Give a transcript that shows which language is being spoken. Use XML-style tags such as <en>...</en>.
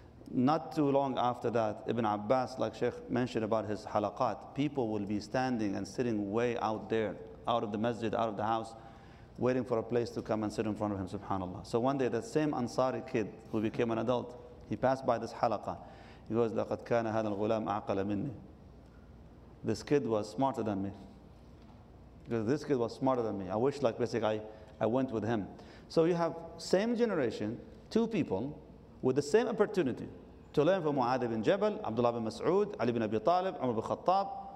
<en>Not too long after that, Ibn Abbas, like Sheikh mentioned about his halaqat, people will be standing and sitting way out there, out of the masjid, out of the house, waiting for a place to come and sit in front of him, subhanAllah. So one day, that same Ansari kid who became an adult, he passed by this halaqa. He goes,</en> <ar>"لَقَدْ كَانَ هَذَا الْغُلَامَ أَعْقَلَ مِنِّي."</ar> <en>This kid was smarter than me. He goes, "This kid was smarter than me. I wish, like, basically, I went with him." So you have same generation, two people, with the same opportunity to learn from Mu'adh ibn Jabal, Abdullah ibn Mas'ud, Ali ibn Abi Talib, Umar ibn Khattab.</en>